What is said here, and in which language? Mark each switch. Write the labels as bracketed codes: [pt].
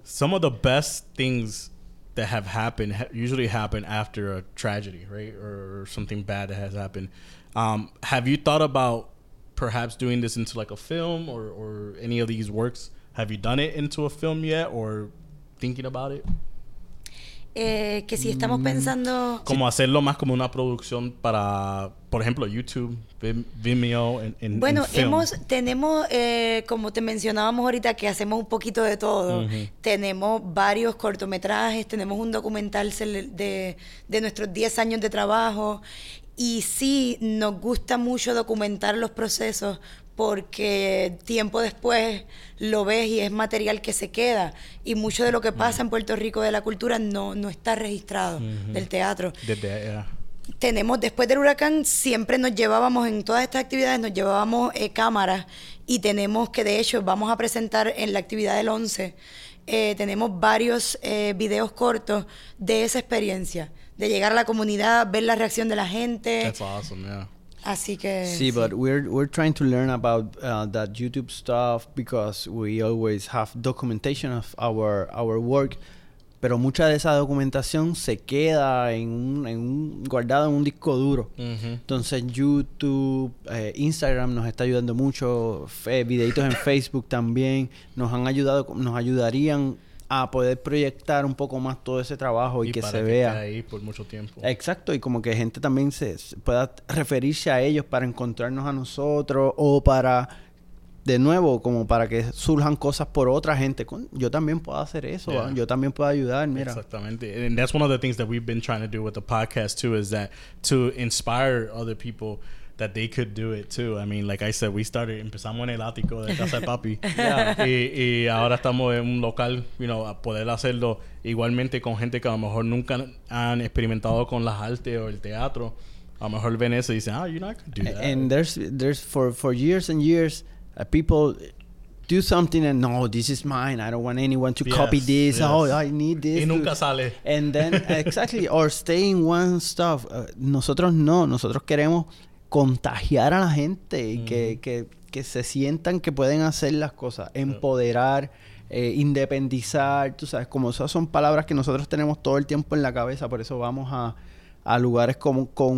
[en] some of the best things that have happened usually happen after a tragedy, right, or something bad that has happened. Have you thought about perhaps doing this into like a film or any of these works? Have you done it into a film yet or thinking about it? [es] Que si estamos pensando como hacerlo más como una producción para, por ejemplo, YouTube, Vimeo, en bueno, film. Tenemos como te mencionábamos ahorita, que hacemos un poquito de todo. Tenemos varios cortometrajes, tenemos un documental de nuestros 10 años de trabajo. Y sí, nos gusta mucho documentar los procesos porque tiempo después lo ves y es material que se queda. Y mucho de lo que pasa en Puerto Rico de la cultura no está registrado del teatro. Desde allá. Tenemos, después del huracán, siempre nos llevábamos en todas estas actividades, nos llevábamos cámaras y tenemos que, de hecho, vamos a presentar en la actividad del 11, tenemos varios videos cortos de esa experiencia. De llegar a la comunidad, ver la reacción de la gente. [en] That's awesome, yeah. [es] Así que [en] sí, but we're trying to learn about that YouTube stuff because we always have documentation of our work. [es] Pero mucha de esa documentación se queda en un guardado en un disco duro. Entonces YouTube, Instagram nos está ayudando mucho, videitos en Facebook también nos ayudarían a poder proyectar un poco más todo ese trabajo y que para se vea ahí por mucho tiempo. Exacto, y como que gente también se pueda referirse a ellos para encontrarnos a nosotros o para, de nuevo, como para que surjan cosas por otra gente. Yo también puedo hacer eso, yeah. Yo también puedo ayudar, mira. Exactamente. [en] And that's one of the things that we've been trying to do with the podcast too, is that to inspire other people that they could do it too. I mean, like I said, [es] empezamos en el ático de Casa de Papi. Yeah. Y ahora estamos en un local, [en] you know, [es] a poder hacerlo igualmente con gente que a lo mejor nunca han experimentado con las artes o el teatro. A lo mejor ven eso y dicen, [en] you know, I could do that. And there's for years and years, people do something and, no, this is mine. I don't want anyone to copy this. Yes. Oh, I need this. [es] Y nunca sale. [en] And then, exactly, or stay in one stuff. [es] Nosotros no, nosotros queremos contagiar a la gente y que se sientan que pueden hacer las cosas, empoderar, independizar, tú sabes, como esas son palabras que nosotros tenemos todo el tiempo en la cabeza, por eso vamos a lugares como